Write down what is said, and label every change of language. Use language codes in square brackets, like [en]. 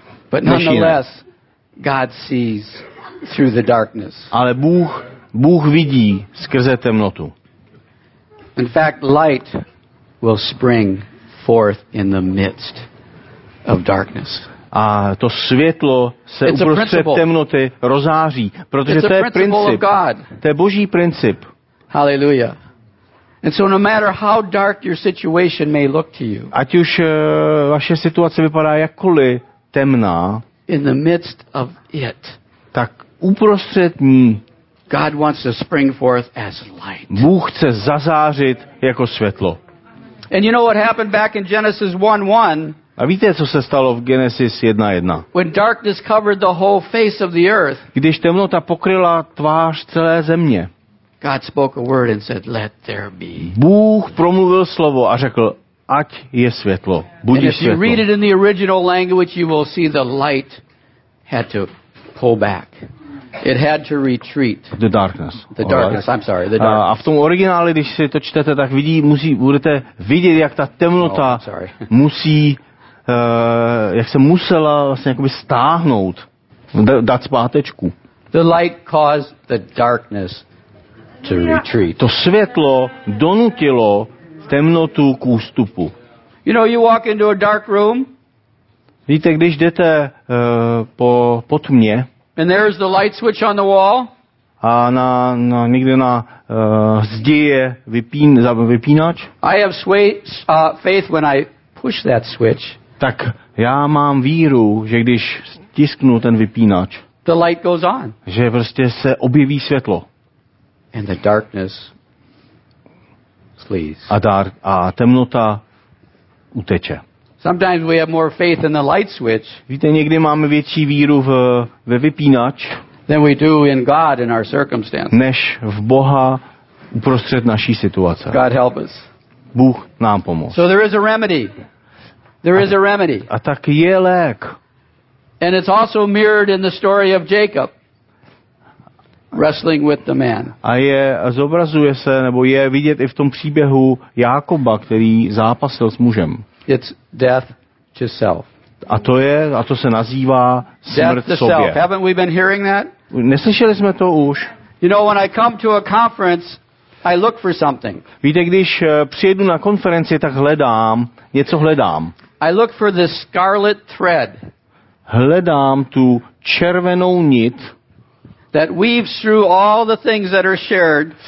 [en] But nonetheless, God sees through the darkness. [cs] Ale Bůh vidí skrze temnotu. [en] In fact, light will spring forth in the midst of darkness. [cs] A to světlo se uprostřed temnoty rozáří, protože to je princip. To je Boží princip. [en] Hallelujah. And so no matter how dark your situation may look to you. [cs] Ať už vaše situace vypadá jakkoliv temná, [en] in the midst of it. [cs] Tak uprostřed ní [en] God wants to spring forth as light. [cs] Bůh chce zazářit jako světlo. [en] And you know what happened back in Genesis 1:1? [cs] A víte, co se stalo v Genesis 1:1? [en] When darkness covered the whole face of the earth. [cs] Když temnota pokryla tvář celé země. [en] God spoke a word and said, "Let there be." [cs] Bůh promluvil slovo a řekl, ať je světlo. Buď světlo. [en] If you read it in the original language, you will see the light had to pull back. It had to retreat. The darkness. The darkness. I'm sorry. The darkness. [cs] A v tom originále, když si to čtete, tak vidí, musí, budete vidět, jak ta temnota musí, jak se musela vlastně jakoby stáhnout, dát zpátečku. [en] The light caused the darkness to retreat. [cs] To světlo donutilo temnotu k ústupu. [en] You know, you walk into a dark room. [cs] Víte, když jdete po tmě. [en] And there is the light switch on the wall. [cs] A na někde na zdi je vypínač. [en] I have faith when I push that switch. [cs] Tak já mám víru, že když stisknu ten vypínač. [en] The light goes on. [cs] Že prostě se objeví světlo. [en] And the darkness flees. [cs] A temnota uteče. [en] Sometimes we have more faith in the light switch. [cs] Víte, někdy máme větší víru ve vypínač. [en] Than we do in God in our circumstances. [cs] Než v Boha uprostřed naší situace. [en] God help us. [cs] Bůh nám pomoct. [en] So there is a remedy. There is a remedy. [cs] A tak je lék. [en] And it's also mirrored in the story of Jacob wrestling with the man. [cs] A je zobrazuje se nebo je vidět i v tom příběhu Jákoba, který zápasil s mužem. [en] It's death to self. [cs] A to se nazývá smrt sobě. [en] Death to self. Haven't we been hearing that? [cs] Neslyšeli jsme to už? [en] You know, when I come to a conference, I look for something. [cs] Víte, když přijedu na konferenci, tak hledám, něco hledám. [en] I look for the scarlet thread. [cs] Hledám tu červenou nit. [en] That weaves through all the things that are shared.